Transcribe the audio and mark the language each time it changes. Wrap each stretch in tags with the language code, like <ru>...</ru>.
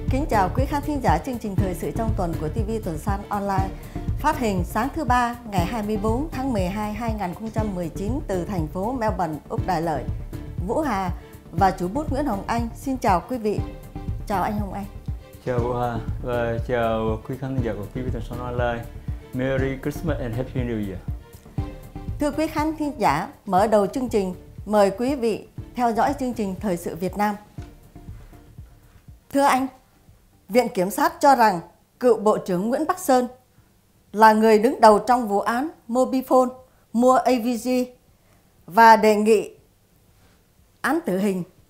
<vi>chào quý khán thính giả chương trình thời sự trong tuần của TV Tuần San Online, phát hình sáng thứ ba ngày 24 tháng 12 2019 từ thành phố Melbourne, Úc Đại Lợi. Vũ Hà và chủ bút Nguyễn Hồng Anh xin chào quý vị. Chào anh Hồng Anh. Chào Vũ Hà và chào quý khán thính giả của TV Tuần San Online.</vi> <en>Merry Christmas and Happy New Year.</en> <vi>Thưa quý khán thính giả, mở đầu chương trình, mời quý vị theo dõi chương trình thời sự Việt Nam. Thưa anh, Viện Kiểm sát cho rằng cựu Bộ trưởng Nguyễn Bắc Sơn là người đứng đầu trong vụ án Mobifone mua AVG và đề nghị án tử hình.</vi>